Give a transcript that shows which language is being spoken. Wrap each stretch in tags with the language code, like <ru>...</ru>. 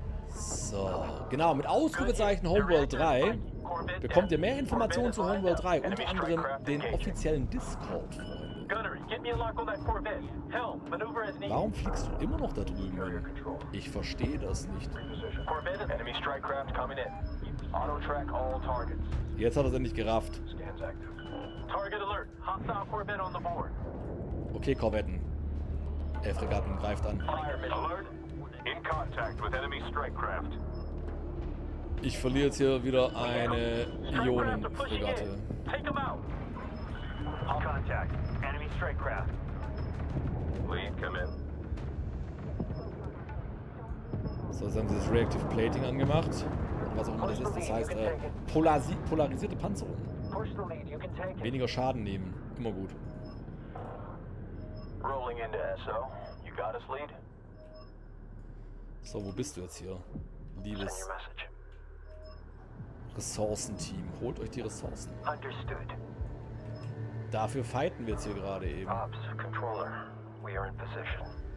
<de>So, genau, mit Ausrufezeichen Homeworld 3 bekommt ihr mehr Informationen zu Homeworld 3, unter anderem den offiziellen Discord. Warum fliegst du immer noch da drüben? Ich verstehe das nicht.</de> <en>Enemy strike craft coming in. Auto-track all targets.</en> <de>Jetzt hat er es endlich gerafft.</de> <en>Scans active. Target alert. Hostile Corvette on the board.</en> <de>Okay, Corvetten. F-Regatten greift an.</de> <en>Alert. In contact with enemy strike craft.</en> <de>Ich verliere jetzt hier wieder eine Ionen-Fregatte.</de> <en>Take them out. In contact. Enemy strike craft. Lead, come in.</en> <de>So, jetzt haben sie das Reactive Plating angemacht. Was auch immer das ist, das heißt polarisierte Panzerung. Weniger Schaden nehmen, immer gut.</de> <en>Rolling into SO. You got us, lead?</en> <de>So, wo bist du jetzt hier? Liebes Ressourcenteam, holt euch die Ressourcen.</de> <en>Understood.</en> <de>Dafür fighten wir jetzt hier gerade eben.</de> <en>Ops, Controller, we are in position.</en>